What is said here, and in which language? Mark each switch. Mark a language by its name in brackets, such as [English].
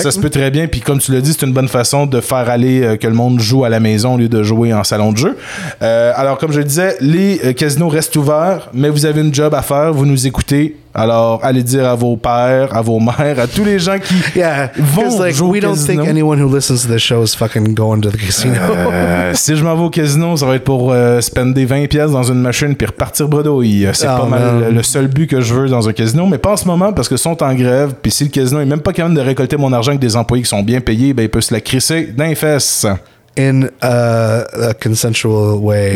[French] Ça se peut très bien, puis comme tu l'as dit, c'est une bonne façon de faire aller que le monde joue à la maison au lieu de jouer en salon de jeu. Alors comme je le disais, les casinos restent ouverts, mais vous avez une job à faire, vous nous écoutez. Alors, allez dire à vos pères, à vos mères, à tous les gens qui vont jouer au casino. [English] We don't think anyone who listens to this show is fucking going to the casino. [French] Si je m'en vais au casino, ça va être pour spender 20 pièces dans une machine puis repartir bredouille. C'est le seul but que je veux dans un casino. Mais pas en ce moment, parce que sont en grève. Puis si le casino est même pas capable de récolter mon argent avec des employés qui sont bien payés, ben il peut se la crisser dans les fesses. [English] In a consensual way.